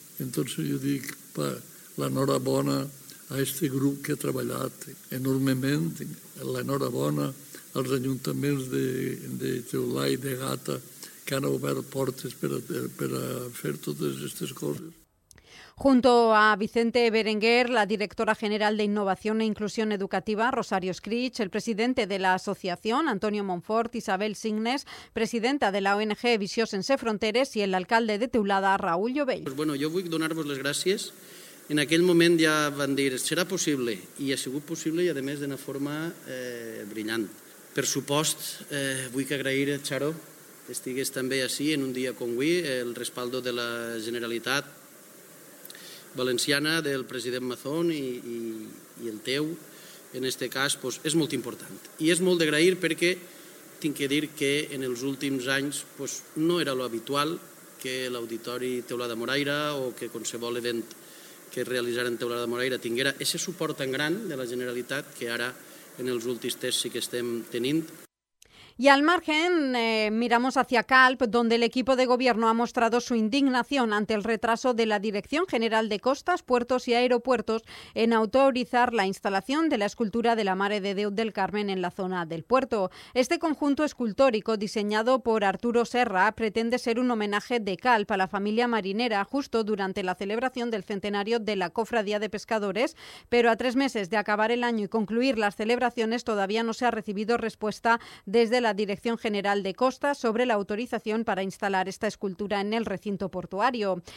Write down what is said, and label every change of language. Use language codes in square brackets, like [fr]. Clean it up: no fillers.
[ca] Entonces jo dic l'enhorabona a este grup que ha treballat enormement, l'enhorabona als ajuntaments de Teulà i de Gata que han obert portes per a fer totes aquestes coses. [es] Junto a Vicente Berenguer, la directora general de Innovación e Inclusión Educativa, Rosario Scrich, el presidente de la asociación, Antonio Monfort, Isabel Signes, presidenta de la ONG Visiós Sense Fronteres y el alcalde de Teulada, Raúl Llobell. Pues bueno, yo voy a [ca] donar-vos les gràcies. En aquell moment ja van dir, serà possible, i ha sigut possible, i a més d'una forma brillant. Per supost, vull que agrair a Charo que estigués també així en un dia com avui, el respaldo de la Generalitat Valenciana, del president Mazón i el teu, en este cas, pues, és molt important. I és molt d'agrair perquè tinc que dir que en els últims anys pues, no era lo habitual que l'Auditori Teulada Moraira o que qualsevol event que realitzaren Teulada Moraira tinguera ese suport tan gran de la Generalitat que ara en els últims temps sí que estem tenint. [es] Y al margen, miramos hacia CALP, donde el equipo de gobierno ha mostrado su indignación ante el retraso de la Dirección General de Costas, Puertos y Aeropuertos en autorizar la instalación de la escultura de la Mare de Déu del Carmen en la zona del puerto. Este conjunto escultórico, diseñado por Arturo Serra, pretende ser un homenaje de CALP a la familia marinera justo durante la celebración del centenario de la Cofradía de Pescadores, pero a 3 meses de acabar el año y concluir las celebraciones todavía no se ha recibido respuesta desde la Dirección General de Costas sobre la autorización para instalar esta escultura en el recinto portuario.